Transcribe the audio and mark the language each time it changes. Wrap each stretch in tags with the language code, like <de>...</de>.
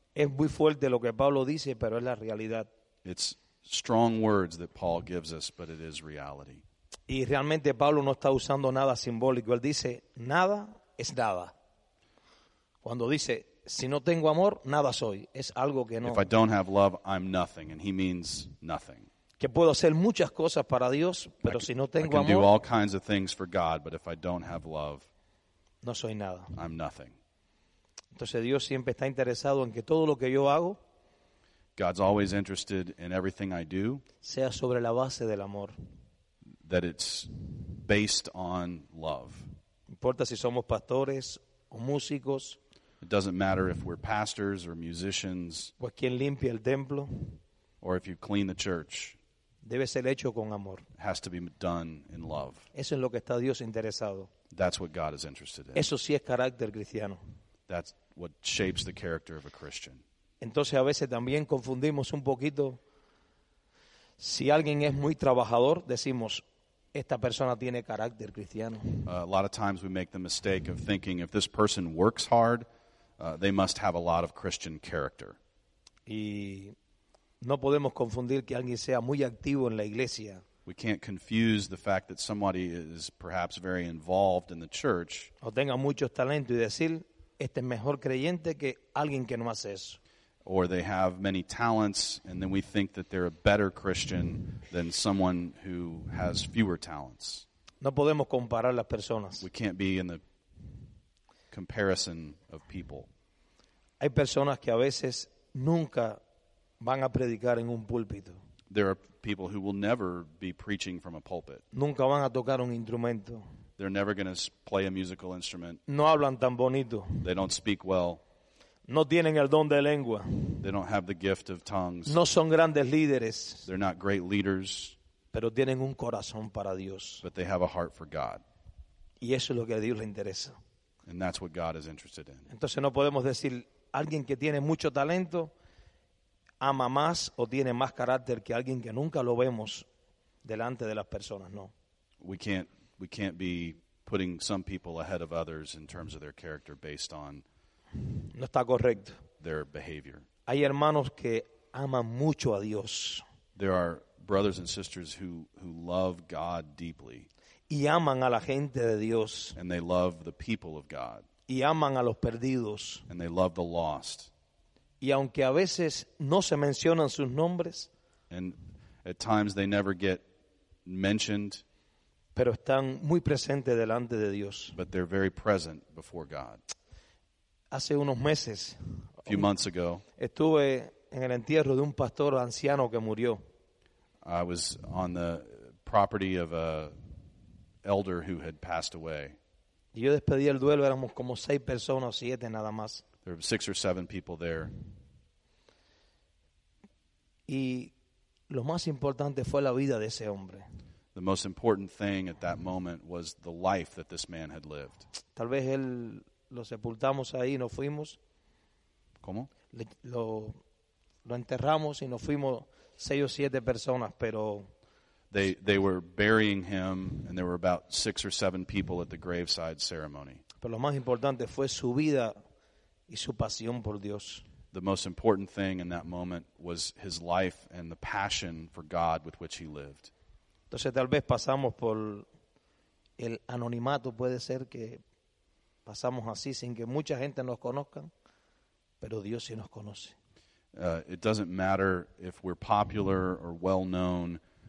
<es>Es muy fuerte lo que Pablo dice, pero es la realidad.</es> <en>It's strong words that Paul gives us, but it is reality.</en> <es>Y realmente Pablo no está usando nada simbólico. Él dice, nada es nada. Cuando dice, si no tengo amor, nada soy. Es algo que no.</es> <en>If I don't have love, I'm nothing. And he means nothing.</en> <es>Que puedo hacer muchas cosas para Dios, pero si no tengo amor,</es> <en>I can do all kinds of things for God, but if I don't have love,</en> <es>no soy nada.</es> <en>I'm nothing.</en> <es>Entonces Dios siempre está interesado en que todo lo que yo hago,</es> <en>God's always interested in everything I do,</en> <es>sea sobre la base del amor.</es> <en>That it's based on love.</en> <es>No importa si somos pastores o músicos.</es> <en>It doesn't matter if we're pastors or musicians.</en> <es>O quien limpia el templo.</es> <en>Or if you clean the church.</en> <es>Debe ser hecho con amor.</es> <en>Has to be done in love.</en> <es>Eso es lo que está Dios interesado.</es> <en>That's what God is interested in.</en> <es>Eso sí es carácter cristiano.</es> <en>That's what shapes the character of a Christian.</en> <es>Entonces a veces también confundimos un poquito. Si alguien es muy trabajador, decimos, esta persona tiene carácter cristiano.</es> <en>A lot of times we make the mistake of thinking, if this person works hard, they must have a lot of Christian character.</en> <es>Y no podemos confundir que alguien sea muy activo en la iglesia.</es> <en>We can't confuse the fact that somebody is perhaps very involved in the church.</en> <es>O tenga muchos talentos y decir, este es mejor creyente que alguien que no hace eso.</es> <en>Or they have many talents, and then we think that they're a better Christian than someone who has fewer talents.</en> <es>No podemos comparar las personas.</es> <en>We can't be in the comparison of people.</en> <es>Hay personas que a veces nunca van a predicar en un púlpito.</es> <en>There are people who will never be preaching from a pulpit.</en> <es>Nunca van a tocar un instrumento.</es> <en>They're never going to play a musical instrument.</en> <es>No hablan tan bonito.</es> <en>They don't speak well.</en> <es>No tienen el don de lengua.</es> <en>They don't have the gift of tongues.</en> <es>No son grandes líderes.</es> <en>They're not great leaders.</en> <es>Pero tienen un corazón para Dios.</es> <en>But they have a heart for God.</en> <es>Y eso es lo que a Dios le interesa.</es> <en>And that's what God is interested in.</en> <es>Entonces no podemos decir alguien que tiene mucho talento ama más o tiene más carácter que alguien que nunca lo vemos delante de las personas, no.</es> <en>We can't be putting some people ahead of others in terms of their character based on</en> <es>no está correcto.</es> <en>Their behavior.</en> <es>Hay hermanos que aman mucho a Dios.</es> <en>There are brothers and sisters who love God deeply.</en> <es>Y aman a la gente de Dios.</es> <en>And they love the people of God.</en> <es>Y aman a los perdidos.</es> <en>And they love the lost.</en> <es>Y aunque a veces no se mencionan sus nombres,</es> <en>and at times they never get mentioned,</en> <es>pero están muy presentes delante de Dios.</es> <en>But they're very present before God.</en> <es>Hace unos meses,</es> <en>a few months ago,</en> <es>estuve en el entierro de un pastor anciano que murió.</es> <en>I was on the property of a elder who had passed away.</en> <es>Y yo despedí el duelo, éramos como seis personas, siete nada más.</es> <en>There were six or seven people there.</en> <es>Y lo más importante fue la vida de ese hombre.</es> <en>The most important thing at that moment was the life that this man had lived.</en> <es>Tal vez él lo sepultamos ahí y nos fuimos. ¿Cómo? Lo enterramos y nos fuimos seis o siete personas, pero</es> <en>They were burying him, and there were about six or seven people at the graveside ceremony.</en> <es>Pero lo más importante fue su vida y su pasión por Dios.</es> <en>The most important thing in that moment was his life and the passion for God with which he lived.</en> <es>Entonces tal vez pasamos por el anonimato, puede ser que pasamos así sin que mucha gente nos conozca, pero Dios sí nos conoce.</es> <en>It doesn't matter if we're popular or well known.</en>